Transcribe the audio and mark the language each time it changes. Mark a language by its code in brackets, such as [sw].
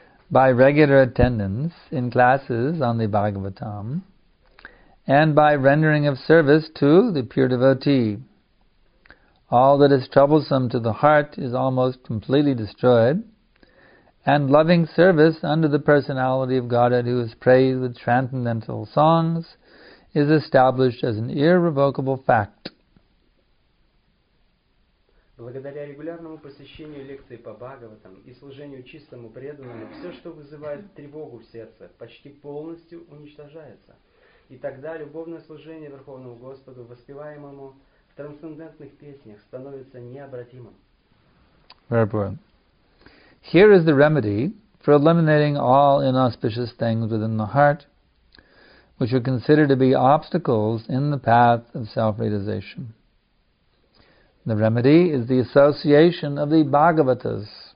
[en] By regular attendance in classes on the Bhagavatam and by rendering of service to the pure devotee, all that is troublesome to the heart is almost completely destroyed. And loving service under the personality of Godhead, who is praised with transcendental songs, is established as an irrevocable fact. [ru] Благодаря регулярному посещению лекций по Бхагаватам и служению чистому преданному, все, что вызывает тревогу в сердце, почти полностью уничтожается. И тогда любовное служение Верховному Господу, воспеваемому в трансцендентных песнях, становится необратимым. [en] Here is the remedy for eliminating all inauspicious things within the heart, which are considered to be obstacles in the path of self-realization. The remedy is the association of the Bhagavatas.